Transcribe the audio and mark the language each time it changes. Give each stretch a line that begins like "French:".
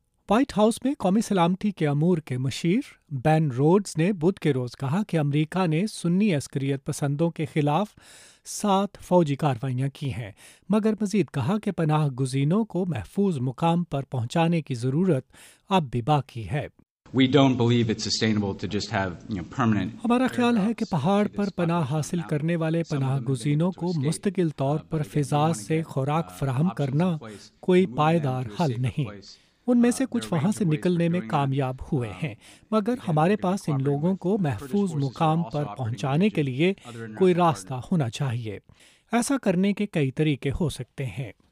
Urdu: White house میں قومی سلامتی کے امور کے مشیر بین روڈز نے بدھ کے روز کہا کہ امریکہ نے سنی عسکریت پسندوں کے خلاف 7 فوجی کارروائیاں کی ہیں، مگر مزید کہا کہ پناہ گزینوں کو محفوظ مقام پر پہنچانے کی ضرورت اب بھی باقی ہے۔
English: We don't believe it's sustainable to just have, you know, permanent.
Urdu: ہمارا خیال ہے کہ پہاڑ پر پناہ حاصل کرنے والے پناہ گزینوں کو مستقل طور پر فضا سے خوراک فراہم کرنا کوئی پائیدار حل نہیں۔ ان میں سے کچھ وہاں سے نکلنے میں کامیاب ہوئے ہیں، مگر ہمارے پاس ان لوگوں کو محفوظ مقام پر پہنچانے کے لیے کوئی راستہ ہونا چاہیے۔ ایسا کرنے کے کئی طریقے ہو سکتے ہیں۔